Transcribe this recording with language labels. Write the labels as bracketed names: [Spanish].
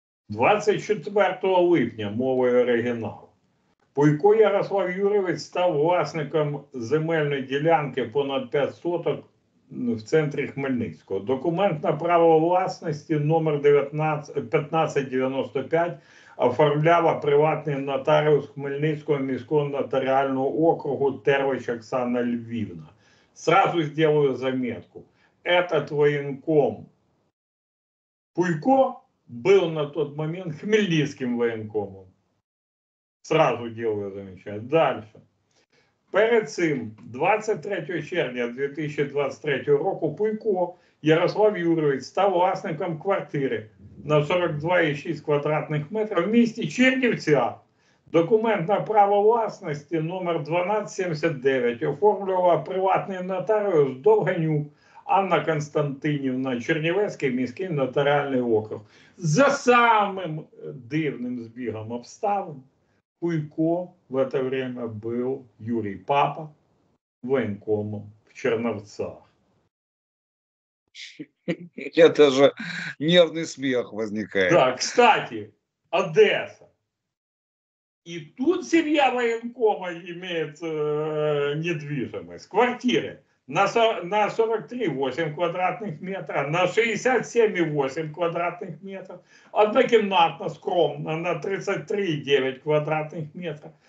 [Ukrainian] 24 липня, мовою оригінал, Пуйко Ярослав Юрійович став власником земельної ділянки понад 5 соток в центрі Хмельницького. Документ на право власності номер 1595 оформляла приватний нотаріус Хмельницького міського нотаріального округу Тервич Оксана Львівна. [Russian] Сразу сделаю заметку. Этот военком Пуйко был на тот момент хмельницким военкомом. Сразу делаю замечание. Дальше. [Ukrainian] Перед цим, 23 червня 2023 року, Пуйко Ярослав Юрійович став власником квартири на 42,6 квадратних метрів в місті Чернівця. Документ на право власності номер 1279 оформлював приватний нотаріус Довганюк Анна Константинівна, Чернівецький міський нотаріальний округ. За самим дивним збігом обставин, Куйко в це время був Юрій Папа воєнкомом в Черновцях. Я даже нервний сміх возникає. [Russian] Так, кстати, Одеса. И тут семья военкома имеет недвижимость. Квартиры на 43,8 квадратных метра, на 67,8 квадратных метров. Однокомнатно, скромно, на 33,9 квадратных метра.